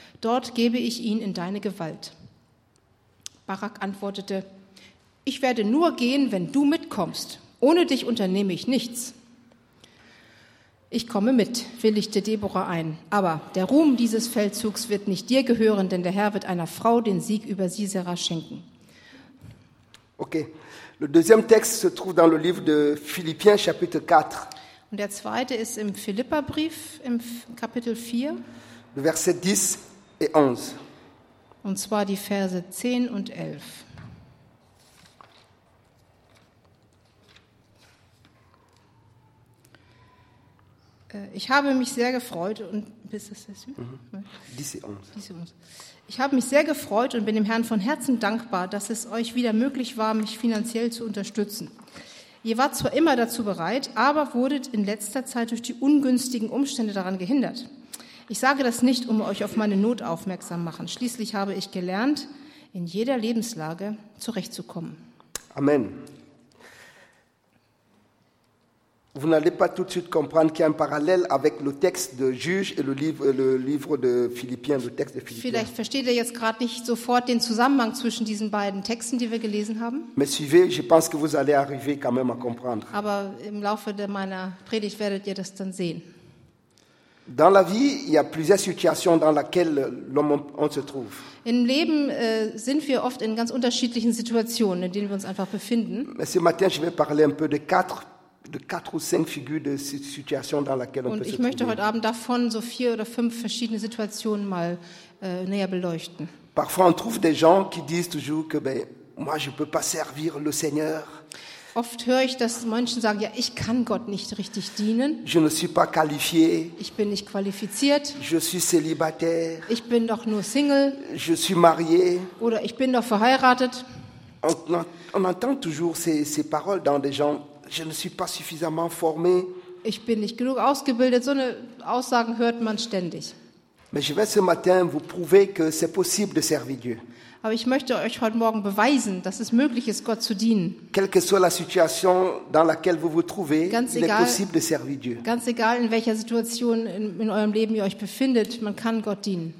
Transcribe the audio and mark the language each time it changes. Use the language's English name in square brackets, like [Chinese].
[German] Dort gebe ich ihn in deine Gewalt. Barak antwortete: Ich werde nur gehen, wenn du mitkommst. Ohne dich unternehme ich nichts. Ich komme mit, willigte Deborah ein. Aber der Ruhm dieses Feldzugs wird nicht dir gehören, denn der Herr wird einer Frau den Sieg über Sisera schenken. Okay. [French] Le deuxième texte se trouve dans le livre de Philippiens, chapitre 4. [German] Und der zweite ist im Philipperbrief, im Kapitel 4. [French] Verset 10 et 11. [German] und zwar die Verse 10 und 11. Ich habe mich sehr gefreut und ich habe mich sehr gefreut und bin dem Herrn von Herzen dankbar, dass es euch wieder möglich war, mich finanziell zu unterstützen. Ihr wart zwar immer dazu bereit, aber wurdet in letzter Zeit durch die ungünstigen Umstände daran gehindert. Ich sage das nicht, um euch auf meine Not aufmerksam zu machen. Schließlich habe ich gelernt, in jeder Lebenslage zurechtzukommen. Amen. [French] Vous n'allez pas tout de suite comprendre qu'il y a un parallèle avec le texte de Juge et le livre de Philippiens, le texte de Philippiens. [German] Vielleicht versteht ihr jetzt gerade nicht sofort den Zusammenhang zwischen diesen beiden Texten, die wir gelesen haben. [French] Mais suivez, je pense que vous allez arriver quand même à comprendre. [German] Aber im Laufe de meiner Predigt werdet ihr das dann sehen. [French] Dans la vie, il y a plusieurs situations dans lesquelles l'homme on se trouve. [German] Im Leben sind wir oft in ganz unterschiedlichen Situationen, in denen wir uns einfach befinden. [French] Mais ce matin, je vais parler un peu de quatre ou cinq figures de situation dans laquelle [German] und [French] on peut [German] ich möchte heute Abend davon so vier oder fünf verschiedene Situationen mal näher beleuchten. [French] Parfois on trouve des gens qui disent toujours que ben moi je peux pas servir le Seigneur. [German] Oft höre ich, dass Menschen sagen, ja, ich kann Gott nicht richtig dienen. [French] Je ne suis pas qualifié. [German] Ich bin nicht qualifiziert. [French] Je suis célibataire. [German] Ich bin doch nur Single. [French] Je suis marié. [German] Oder ich bin doch verheiratet. [French] On entend toujours ces paroles dans des gens. Je ne suis pas suffisamment formé. [German] Ich bin nicht genug ausgebildet. So eine Aussagen hört man ständig. [French] Mais je vais ce matin vous prouver que c'est possible de servir Dieu. [German] Aber ich möchte euch heute Morgen beweisen, dass es möglich ist, Gott zu dienen. [French] Quelle que soit la situation dans laquelle vous vous trouvez, [German] ganz [French] il [German] egal, [French] est possible de servir Dieu. [German] Ganz egal, in welcher Situation in eurem Leben ihr euch befindet, man kann Gott dienen.